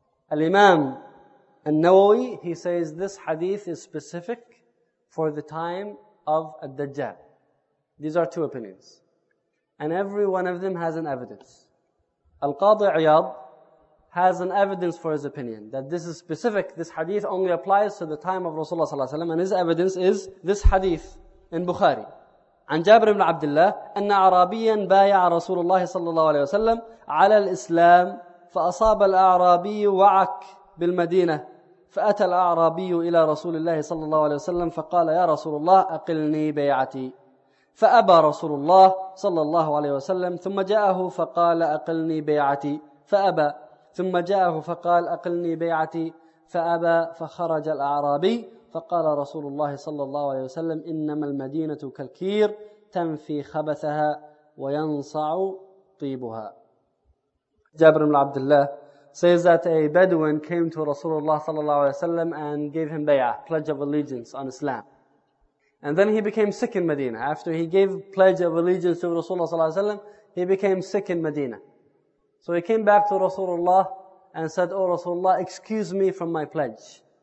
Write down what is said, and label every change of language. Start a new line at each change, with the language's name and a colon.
English: Al-Imam al-Nawawi, he says this hadith is specific for the time of al-Dajjal. These are two opinions. And every one of them has an evidence. Al-Qadi Iyad has an evidence for his opinion that this is specific, this hadith only applies to the time of Rasulullah sallallahu alaihi wasallam, and his evidence is this hadith in Bukhari.
Arabic: عن جابر بن عبد الله أن عربيا بايع رسول الله صلى الله عليه وسلم على الإسلام فأصاب الأعرابي وعك بالمدينة فأتى الأعرابي إلى رسول الله صلى الله عليه وسلم فقال يا رسول الله أقلني بيعتي فأبى رسول الله صلى الله عليه وسلم ثم جاءه فقال أقلني بيعتي فأبى ثم جاءه فقال أقلني بيعتي فأبى فخرج الأعرابي فقال رسول الله صلى الله عليه وسلم إنما المدينة كالكير تنفي خبثها وينصع طيبها.
English: جابر بن عبد الله says that a Bedouin came to Rasulullah صلى الله عليه وسلم and gave him bay'ah, pledge of allegiance on Islam. And then he became sick in Medina. After he gave pledge of allegiance to Rasulullah صلى الله عليه وسلم, he became sick in Medina. So he came back to Rasulullah and said, "Oh Rasulullah, excuse me from my pledge."